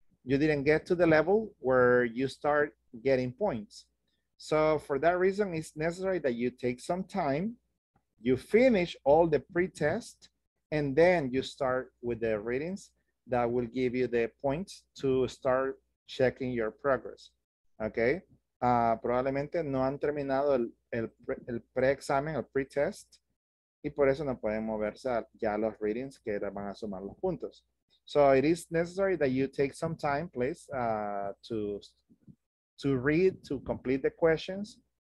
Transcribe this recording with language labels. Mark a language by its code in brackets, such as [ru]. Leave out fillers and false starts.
[en] You didn't get to the level where you start getting points. So for that reason, it's necessary that you take some time, you finish all the pre-test, and then you start with the readings that will give you the points to start checking your progress, okay? [es] Probablemente no han terminado el pre-examen, el pre-test, y por eso no pueden moverse ya los readings que van a sumar los puntos. [en] So it is necessary that you take some time, please, to read, to complete the questions.